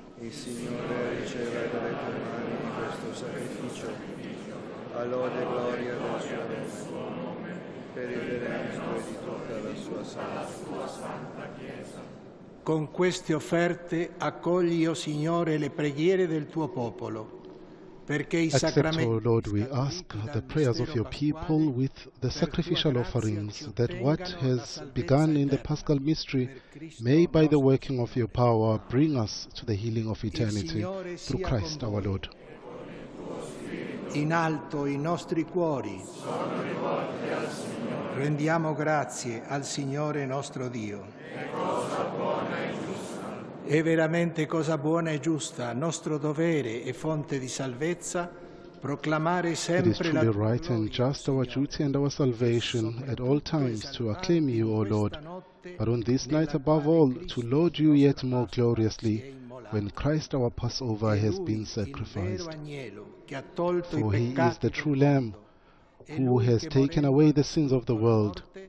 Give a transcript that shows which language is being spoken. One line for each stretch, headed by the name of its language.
Italian: Il Signore riceve dalle tue mani questo sacrificio, a lode e gloria del suo nome, per il benessere di tutta la sua Santa Chiesa. Con queste offerte accogli, o Signore, le preghiere del tuo popolo.
English: Accept, O Lord, we ask, the prayers of your people with the sacrificial offerings, that what has begun in the paschal mystery may, by the working of your power, bring us to the healing of eternity through Christ our Lord.
Italian: In alto i nostri cuori, rendiamo grazie al Signore nostro Dio. È veramente cosa buona e giusta, nostro dovere e fonte di salvezza, proclamare sempre la tua gloria.
English: It is truly right and just, our duty and our salvation at all times, to acclaim you, O Lord, but on this night above all, to lord you yet more gloriously, when Christ our Passover has been sacrificed. For he is the true Lamb who has taken away the sins of the world.